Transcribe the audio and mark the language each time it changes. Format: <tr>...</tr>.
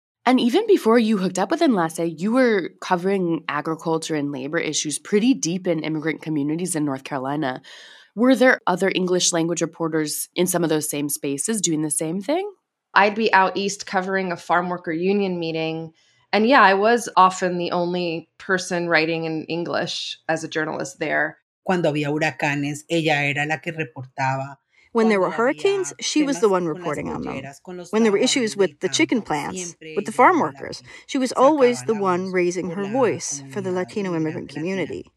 <en>And even before you hooked up with Enlace, you were covering agriculture and labor issues pretty deep in immigrant communities in North Carolina. Were there other English language reporters in some of those same spaces doing the same thing? I'd be out east covering a farm worker union meeting. And yeah, I was often the only person writing in English as a journalist there.</en> <es>Cuando había huracanes, ella era la que reportaba.</es> <en>When there were hurricanes, she was the one reporting on them. When there were issues with the chicken plants, with the farm workers, she was always the one raising her voice for the Latino immigrant community.</en>